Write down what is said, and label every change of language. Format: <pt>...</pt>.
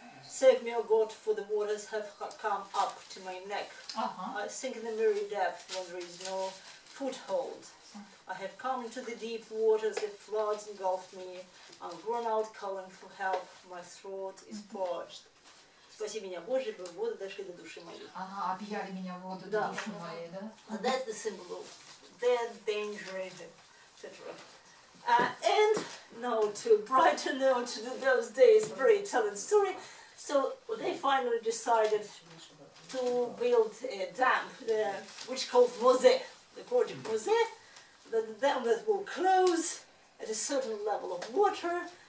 <en>Save me, O God, for the waters have come up to my neck. I sink in the miry depth when there is no foothold. I have come into the deep waters, the floods engulf me. I'm worn out calling for help, my throat is parched.</en> <ru>Спасибо меня, Боже, ибо воды дошли до души моей. Ага, объяли меня воды до души моей, да?</ru> <en>And that's the symbol of death, danger, etc. And now to brighten out to those days, very telling story. So they finally decided to build a dam there, which called Mosè, the project Mosè. The dam that will close at a certain level of water,</en>